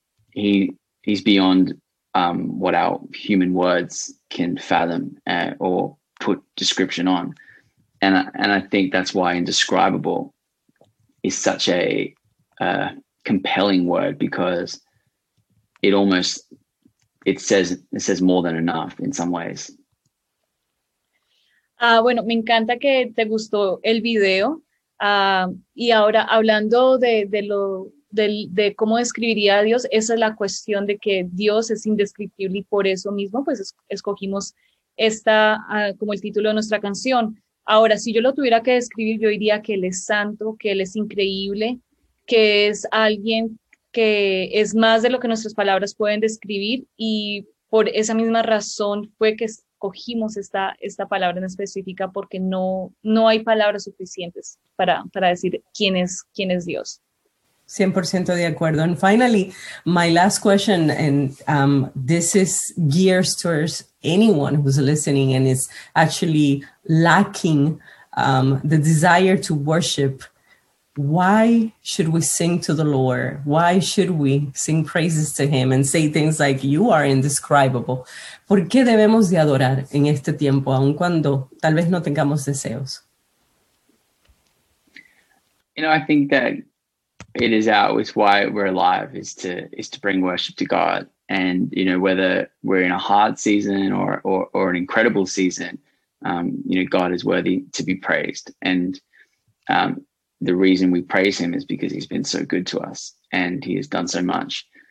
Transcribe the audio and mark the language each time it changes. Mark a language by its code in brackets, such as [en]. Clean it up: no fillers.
[en] He's beyond what our human words can fathom or put description on. And I think that's why indescribable is such a compelling word, because it says more than enough in some ways. [es] Bueno, me encanta que te gustó el video. Y ahora hablando de cómo describiría a Dios, esa es la cuestión, de que Dios es indescriptible, y por eso mismo pues escogimos esta como el título de nuestra canción. Ahora, si yo lo tuviera que describir, yo diría que Él es santo, que Él es increíble, que es alguien que es más de lo que nuestras palabras pueden describir, y por esa misma razón fue que escogimos esta palabra en específica, porque no hay palabras suficientes para decir quién es Dios. 100% de acuerdo. [en] And finally, my last question, and this is geared towards anyone who's listening and is actually lacking the desire to worship. Why should we sing to the Lord? Why should we sing praises to Him and say things like, you are indescribable? [es] ¿Por qué debemos de adorar en este tiempo, aun cuando tal vez no tengamos deseos? [en] You know, I think that it is out with why we're alive is to bring worship to God. And, you know, whether we're in a hard season or an incredible season, you know, God is worthy to be praised. And the reason we praise Him is because He's been so good to us and He has done so much.